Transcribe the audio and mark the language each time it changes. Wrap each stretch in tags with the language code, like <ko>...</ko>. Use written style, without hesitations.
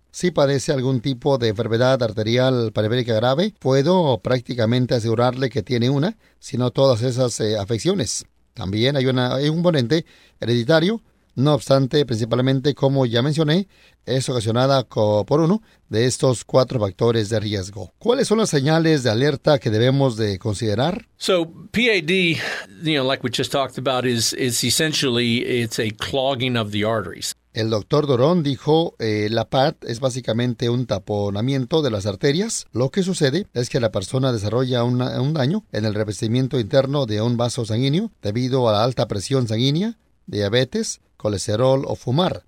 <es>Si padece algún tipo de enfermedad arterial periférica grave, puedo prácticamente asegurarle que tiene una, si no todas esas afecciones. También hay un componente hereditario, no obstante, principalmente, como ya mencioné, es ocasionada por uno de estos cuatro factores de riesgo. ¿Cuáles son las señales de alerta que debemos de considerar?</es> <en>So PAD, you know, like we just talked about, is essentially it's a clogging of the arteries.</en> <es>El doctor Durón dijo, la PAD es básicamente un taponamiento de las arterias. Lo que sucede es que la persona desarrolla un daño en el revestimiento interno de un vaso sanguíneo debido a la alta presión sanguínea, diabetes, colesterol o fumar.</es>